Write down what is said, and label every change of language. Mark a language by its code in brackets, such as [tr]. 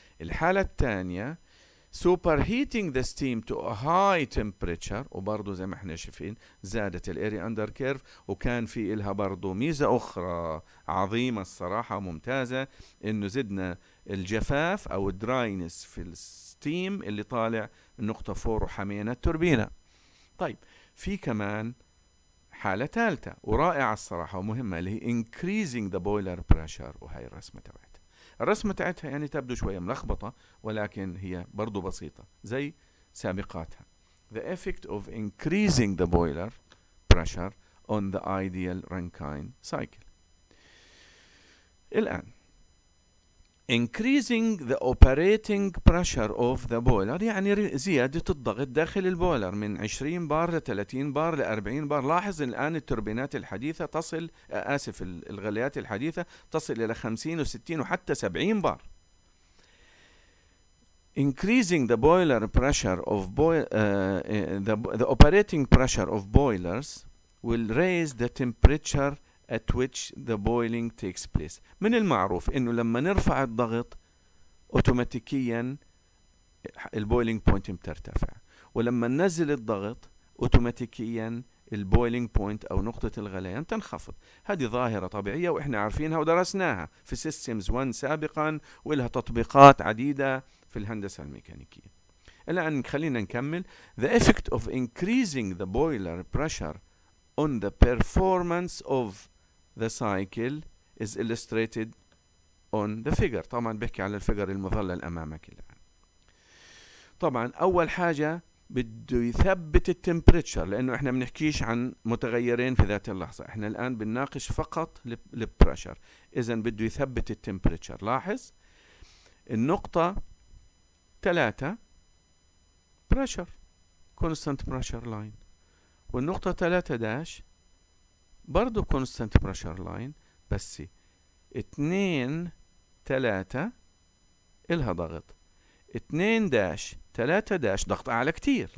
[ar] الحالة الثانية [en] superheating the steam to a high temperature [ar] وبرضو زي ما احنا شايفين زادت الـ area under curve، وكان في إلها برضو ميزة أخرى عظيمة الصراحة ممتازة، إنه زدنا الجفاف أو dryness في الستيم اللي طالع النقطة 4 وحمينا التوربينة. طيب في كمان حالة ثالثة ورائعة الصراحة ومهمة اللي هي [en] increasing the boiler pressure، [ar] وهي الرسمة تبعي. الرسمة تاعتها يعني تبدو شوية ملخبطة ولكن هي برضو بسيطة زي سابقاتها. [en] the effect of increasing the boiler pressure on the ideal Rankine cycle. [ar] الآن [en] increasing the operating pressure of the boiler [ar] يعني زيادة الضغط داخل البويلر من 20 بار ل 30 بار ل 40 بار. لاحظ الآن التوربينات الحديثة تصل الغليات الحديثة تصل إلى 50 و 60 وحتى 70 بار. [en] Increasing the boiler pressure of the operating pressure of boilers will raise the temperature at which the boiling takes place. [ar] من المعروف إنه لما نرفع الضغط أوتوماتيكيا البويلينج بوينت بترتفع، ولما ننزل الضغط أوتوماتيكيا البويلينج بوينت أو نقطة الغليان تنخفض. هذه ظاهرة طبيعية وإحنا عارفينها ودرسناها في سيستمز 1 سابقا، ولها تطبيقات عديدة في الهندسة الميكانيكية. الآن خلينا نكمل. [en] The effect of increasing the boiler pressure on the performance of the cycle is illustrated on the figure. [ar] طبعا بحكي على الفيجر المظلل أمامك الآن. طبعا أول حاجة بده يثبت التمبريتشر، لأنه إحنا بنحكيش عن متغيرين في ذات اللحظة، إحنا الآن بنناقش فقط للبرشر. إذن بده يثبت التمبريتشر. لاحظ النقطة 3 بريشر كونستانت بريشر لاين، والنقطة 3 داش برضو كونستانت بريشر لاين، بس 2 3 إلها ضغط، 2 داش 3 داش ضغط أعلى كتير.